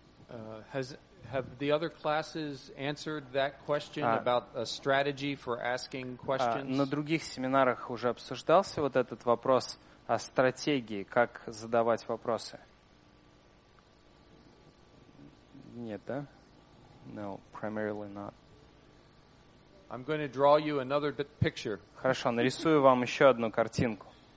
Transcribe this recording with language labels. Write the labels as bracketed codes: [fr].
[en] Have the other classes answered that question about a strategy for asking questions? [ru] На других семинарах уже обсуждался вот этот вопрос о стратегии, как задавать вопросы. Нет, да? [en] No, primarily not. I'm going to draw you another picture. [ru] Хорошо, нарисую вам еще одну картинку.